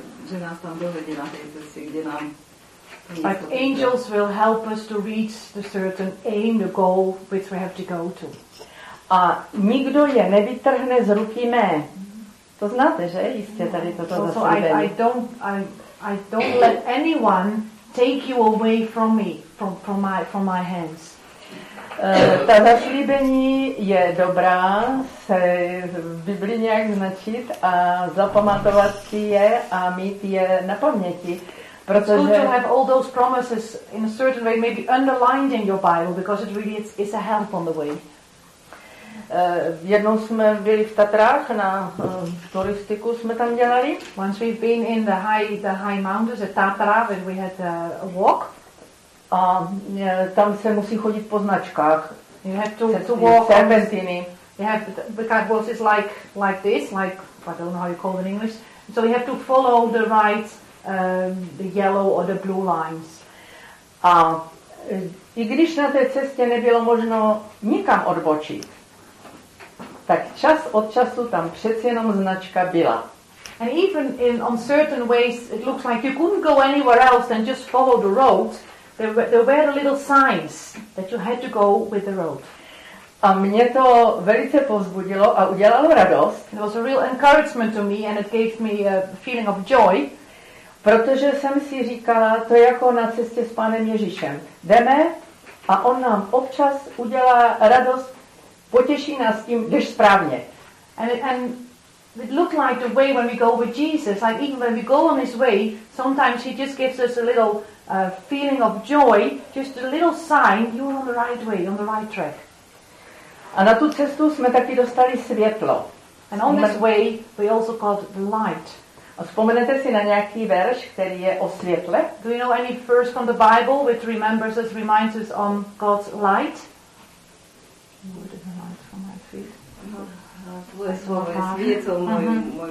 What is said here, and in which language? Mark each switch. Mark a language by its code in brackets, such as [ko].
[cs] Že nás tam dovedí na tej cestě, kde nám [en] like angels will help us to reach the certain aim, the goal which we have to go to. [cs] A nikdo je nevytrhne z ruky mé. To znáte, že? Jistě tady toto zaslíbení. [en] I don't let anyone take you away from me, from my hands. [cs] Ta zaslíbení je dobrá se v Biblii nějak značit a zapamatovat si je a mít je na paměti. [en] It's good to have all those promises in a certain way, maybe underlined in your Bible, because it really is a help on the way. [cs] Jednou jsme byli v Tatrách na turistiku jsme tam dělali. [en] Once we've been in the high mountains at Tatra, where we had a walk. [cs] A tam se musí chodit po značkách. [en] You have to walk serpentiny. You have because what is like this, like I don't know how you call it in English. So you have to follow the right the yellow or the blue lines. [cs] A i když na té cestě nebylo možno nikam odbočit, tak čas od času tam přeci jenom značka byla. [en] And even in on certain ways it looks like you couldn't go anywhere else than just follow the road, there were the little signs that you had to go with the road. [cs] A mě to velice povzbudilo a udělalo radost. [en] It was a real encouragement to me and it gave me a feeling of joy. [cs] Protože jsem si říkala, to je jako na cestě s Pánem Ježíšem. Jdeme a on nám občas udělá radost, potěší nás tím, jdeš správně. [en] And it looked like the way when we go with Jesus, like even when we go on his way, sometimes he just gives us a little feeling of joy, just a little sign, you're on the right way, on the right track. [cs] A na tu cestu jsme taky dostali světlo. [en] And on this way we also got the light. [cs] A vzpomenete si na nějaký verš, který je o světle? [en] Do you know any verse from the Bible which remembers us, reminds us on God's light? Lord is the light for my feet. [cs] Tvoje slovo je světlo mojemu.